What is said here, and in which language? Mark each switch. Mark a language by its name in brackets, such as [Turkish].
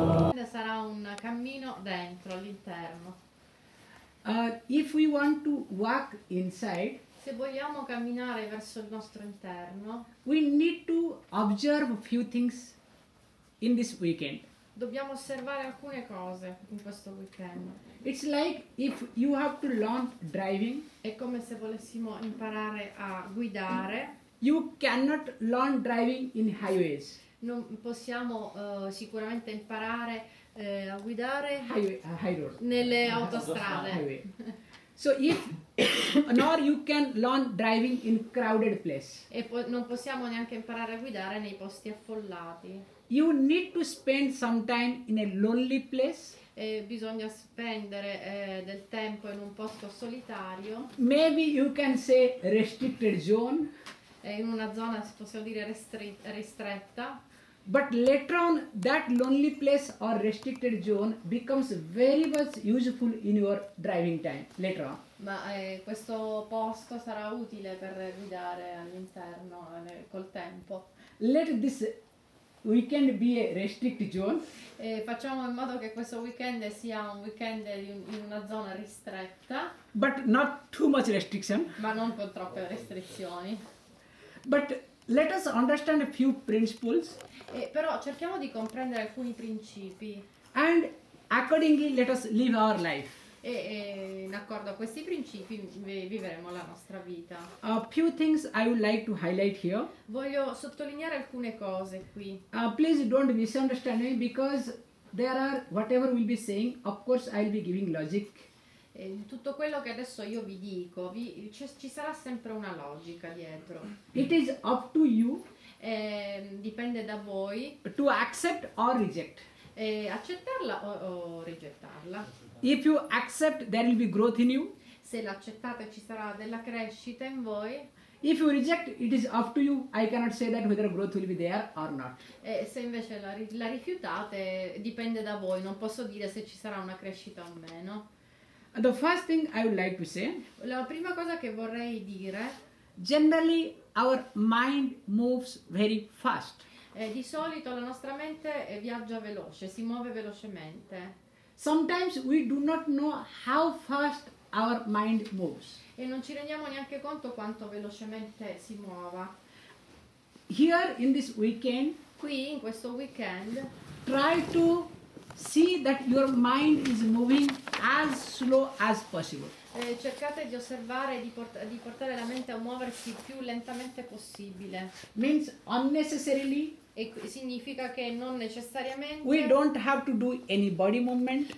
[Italian] Quindi sarà un cammino dentro, all'interno. [English] If we want to walk inside, [Italian] se vogliamo camminare verso il nostro interno, [English] we need to observe a few things in this weekend. [Italian] Dobbiamo osservare alcune cose in questo weekend. [English] It's like if you have to learn driving, [Italian] è come se volessimo imparare a guidare. [English] You cannot learn driving in highways. [Italian] Non possiamo sicuramente imparare a guidare [English] high road. [Italian] Nelle autostrade. [English] So if nor you can learn driving in crowded place. [Italian] E non possiamo neanche imparare a guidare nei posti affollati. [English] You need to spend some time in a lonely place. [Italian] E bisogna spendere del tempo in un posto solitario. [English] Maybe you can say restricted zone. [Italian] E in una zona possiamo dire ristretta. [English] But later on, that lonely place or restricted zone becomes very much useful in your driving time, later on. [Italian] Ma questo posto sarà utile per guidare all'interno col tempo. [English] Let this weekend be a restricted zone. [Italian] Facciamo in modo che questo weekend sia un weekend in una zona ristretta. [English] But not too much restriction. [Italian] Ma non con troppe restrizioni. [English] But let us understand a few principles. [Italian] Però cerchiamo di comprendere alcuni principi. [English] And accordingly let us live our life. [Italian] E in accordo a questi principi vivremo la nostra vita. [English] A few things I would like to highlight here. [Italian] Voglio sottolineare alcune cose qui. [English] Please don't misunderstand me, because there are whatever we'll be saying, of course I'll be giving logic. [Italian] Tutto quello che adesso io vi dico, ci sarà sempre una logica dietro. [English] It is up to you. [Italian] Dipende da voi. [English] To accept or reject. [Italian] Accettarla o rigettarla. [English] If you accept, there will be growth in you. [Italian] Se l'accettate ci sarà della crescita in voi. [English] If you reject, it is up to you. I cannot say that whether growth will be there or not. [Italian] E se invece la rifiutate, dipende da voi. Non posso dire se ci sarà una crescita o meno. [English] The first thing I would like to say. [Italian] La prima cosa che vorrei dire. [English] Generally, our mind moves very fast. [Italian] Di solito la nostra mente viaggia veloce, si muove velocemente. [English] Sometimes we do not know how fast our mind moves. [Italian] E non ci rendiamo neanche conto quanto velocemente si muova. [English] Here in this weekend, [Italian] qui in questo weekend, [English] try to see that your mind is moving as slow as possible. [Italian] Cercate di osservare di portare la mente a muoversi più lentamente possibile. [English] Means unnecessarily. [Italian] E significa che non necessariamente. [English] We don't have to do any body movement.